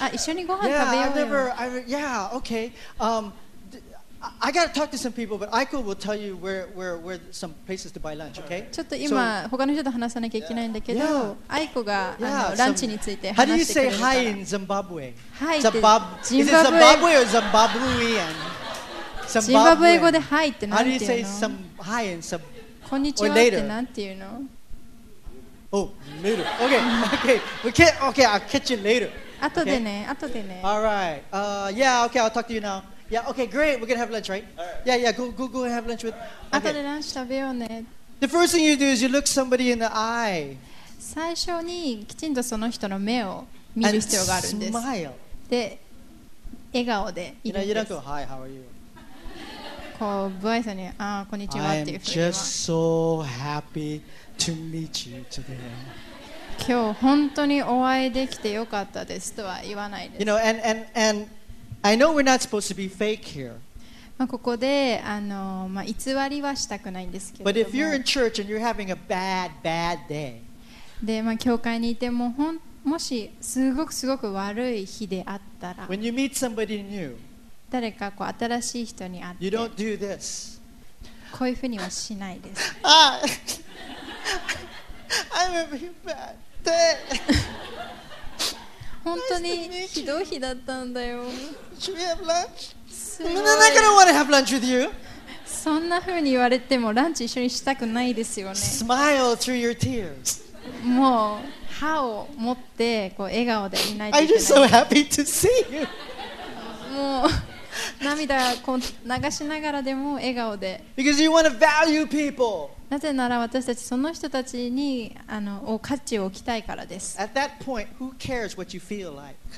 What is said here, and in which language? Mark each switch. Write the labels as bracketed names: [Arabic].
[English] I gotta talk to some people, but Aiko will tell you where some places to buy lunch, okay? [Japanese] ちょっと今、so, 他の人と話さなきゃいけないんだけど、Aiko が ランチについて話してくれるから。 [English] How do you say hi in Zimbabwe? Hi. Zimbabwe. Is it Zimbabwe or Zimbabwean? [Japanese] Zimbabwe 語で hi ってなんていうの? [English] How do you say some hi in some? [Japanese] こんにちはってなんていうの? [English] Oh, later. Okay. I'll catch you later. [Japanese] After でね After でね [English] All right. Okay. I'll talk to you now. Yeah. Okay. Great. We're gonna have lunch, right? All right. Yeah. Go and have lunch with. [Japanese] After でランチ食べようね [English] The first thing you do is you look somebody in the eye. [Japanese] 最初にきちんとその人の目を見る必要があるんです。 [English] And smile. [Japanese] で笑顔でいるんです。 [English] You're like, hi, how are you? [Japanese] こう不愛想にあこんにちはっていうふうに [English] I'm just so happy to meet you today. [Japanese] 今日本当にお会いできてよかったですとは言わないです。 [English] You know, and I know we're not supposed to be fake here. [Japanese] まあ、ここで偽りはしたくないんですけども [English] 、bad, bad day, [Japanese] で、まあ、教会にいてももしすごくすごく悪い日であったら [English] when you meet somebody new, [Japanese] 誰かこう新しい人に会って [English] you don't do this. [Japanese] こういうふうにはしないです。 [English] あ I'm a very bad day. [Japanese] 本当にひどい日だったんだよ。 [English] Should we have lunch? I'm not gonna want to have lunch with you. [Japanese] そんな風に言われてもランチ一緒にしたくないですよね。 [English] Smile through your tears. [Japanese] もう歯を持ってこう笑顔でいないといけない。 [English] I'm just so happy to see you. [Japanese] もう涙こう流しながらでも笑顔で。 [English] Because you want to value people. [Japanese] なぜなら私たちその人たちにを価値を置きたいからです。 [English] At that point, who cares what you feel like?